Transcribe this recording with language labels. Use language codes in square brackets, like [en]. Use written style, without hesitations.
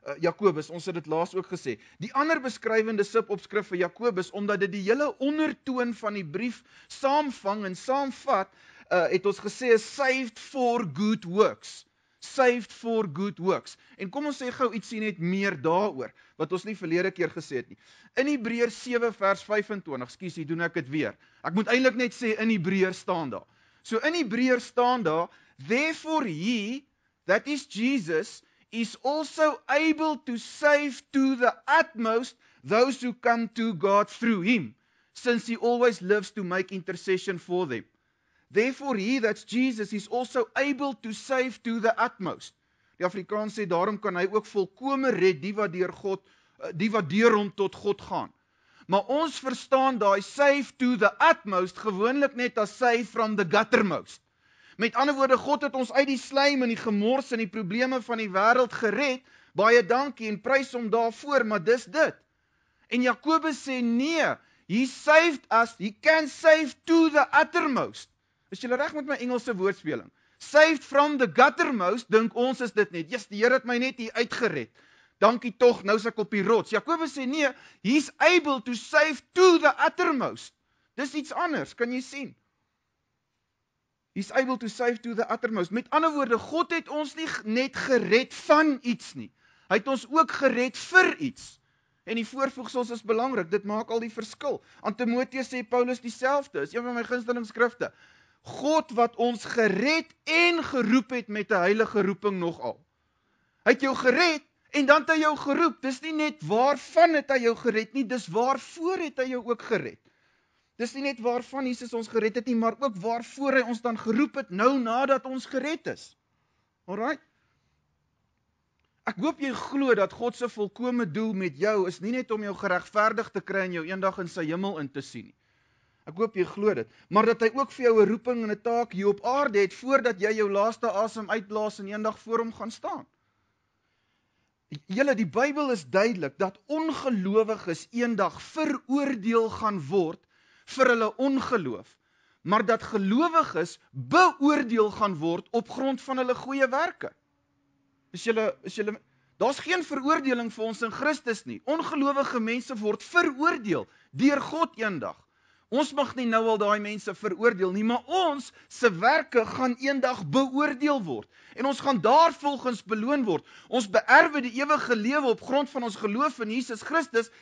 [af] Jakobus, ons het dit laas ook gesê. Die ander beskrywende sub-opskrif vir Jakobus, omdat dit die hele ondertoon van die brief saamvang en saamvat, het ons gesê, [en] saved for good works. Saved for good works. [af] En kom ons sê gou ietsie net meer daaroor, wat ons nie verlede keer gesê het nie. In Hebreërs 7 vers 25, skusie, doen ek het weer. Ek moet eintlik net sê, in Hebreërs staan daar. So in Hebreërs staan daar, [en] therefore he, that is Jesus, is also able to save to the utmost those who come to God through him, since he always lives to make intercession for them. Therefore he, that's Jesus, is also able to save to the utmost. [af] Die Afrikaans sê, daarom kan hy ook volkome red, die wat deur hom tot God gaan. Maar ons verstaan daai [en] save to the utmost, [af] gewoonlik net as [en] save from the guttermost. [af] Met ander woorde, God het ons uit die slijm en die gemors en die probleme van die wereld gered, baie dankie en prys om daarvoor, maar dis dit. En Jakobus sê, nee, [en] he can save to the uttermost. [af] Is jy reg met my Engelse woordspeling? [en] Saved from the guttermost, [af] denk ons is dit net. Yes, die Heer het my net hier uitgered. Dankie toch, nou is ek op die rots. Jakobus sê nee, [en] he's able to save to the uttermost. [af] Dis iets anders, kan jy sien? [en] He's able to save to the uttermost. [af] Met ander woorde, God het ons nie net gered van iets nie. Hy het ons ook gered vir iets. En die voorvoegsels is belangrijk, dit maak al die verskil. Aan Timoteus sê Paulus dieselfde, is een van my gunsteling skrifte. God wat ons gered en geroep het met de heilige roeping nogal. Hy het jou gered en dan het hy jou geroep. Dis nie net waarvan het hy jou gered nie, dis waarvoor het hy jou ook gered. Dis nie net waarvan Jesus ons gered het nie, maar ook waarvoor hy ons dan geroep het, nou nadat ons gered is. Alright? Ek hoop jy glo dat Godse volkome doel met jou is nie net om jou geregverdig te kry en jou een dag in sy hemel in te sien. Ek hoop jy glo dit, maar dat hy ook vir jou een roeping en een taak hier op aarde het, voordat jy jou laaste asem uitblaas en een dag voor hom gaan staan. Julle, die Bybel is duidelik, dat ongelowiges een dag veroordeel gaan word vir hulle ongeloof, maar dat gelowiges beoordeel gaan word op grond van hulle goeie werke. Daar is geen veroordeling vir ons in Christus nie. Ongelowige mense word veroordeel deur God een dag. Ons mag nie nou al die mense veroordeel nie, maar ons se werke gaan een dag beoordeel word. En ons gaan daar volgens beloon word. Ons beerwe die ewige lewe op grond van ons geloof in Jesus Christus.